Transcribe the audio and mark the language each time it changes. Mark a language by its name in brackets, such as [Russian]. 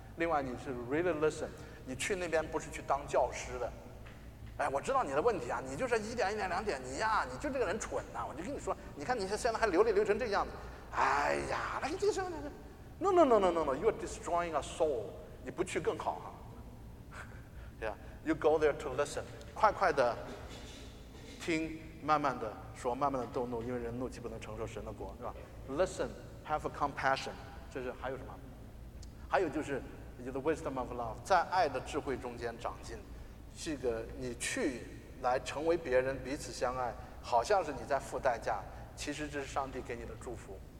[Chinese] 另外你是 really listen，你去那边不是去当教师的，哎，我知道你的问题啊，你就是一点一点两点，你呀，你就这个人蠢呐、啊，我就跟你说，你看你现在还流泪流成这样子，哎呀，那你这个什么 ？ No， you're destroying a soul，你不去更好哈、啊。 [English] Yeah， you go there to listen，快快的听。 [Chinese] 慢慢的说，慢慢的动怒，因为人怒岂不能承受神的国，是吧 ？ Listen, have a compassion，这是还有什么？还有就是 the wisdom of love，在爱的智慧中间长进，是一个你去来成为别人，彼此相爱，好像是你在付代价，其实这是上帝给你的祝福。